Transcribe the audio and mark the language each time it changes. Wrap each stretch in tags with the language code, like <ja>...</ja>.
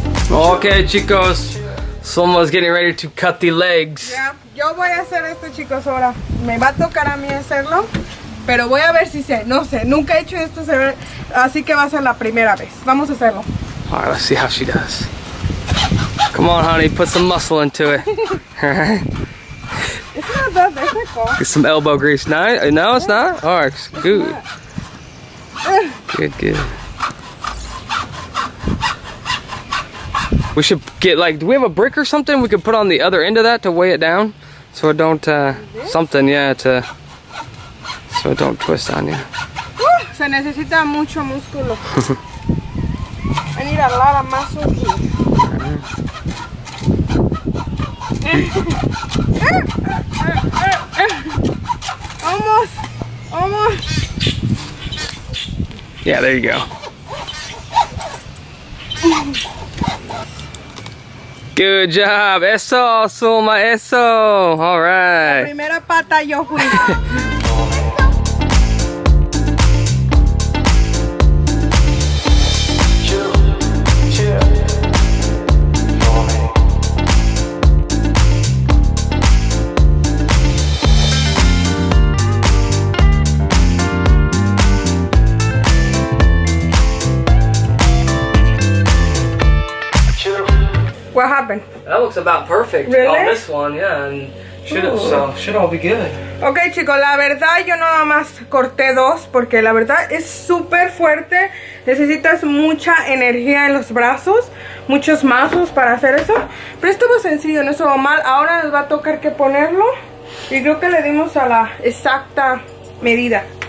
<en>Okay,</en> <es>chicos,</es> <en>Zulma's getting ready to cut the legs. Yeah,</en> <es>yo voy a hacer esto, chicos, ahora. Me va a tocar a mí hacerlo, pero voy a ver si sé. No sé, nunca he hecho esto, así que va a ser la primera vez. Vamos a hacerlo.</es> <en>All right, let's see how she does. Come on, honey, put some muscle into it. It's not that difficult. Get some elbow grease. No, no, it's not? All right, good. Good, good. We should get like, do we have a brick or something we could put on the other end of that to weigh it down? So it don't, something, yeah, to, so it don't twist on you.</en> <es>Se necesita mucho músculo.</es> <en>I need a lot of muscle. almost. Yeah, there you go. Good job, eso, Zulma, eso. All right.</en> <es>La primera pata yo fui.</es> <en>What happened? That looks about perfect. Really? On this one, yeah, and should all be good.</en> <es>Okay, chicos, la verdad yo nada más corté dos porque la verdad es súper fuerte. Necesitas mucha energía en los brazos, muchos mazos para hacer eso. Pero estuvo sencillo, no estuvo mal. Ahora nos va a tocar que ponerlo. Y creo que le dimos a la exacta medida.</es>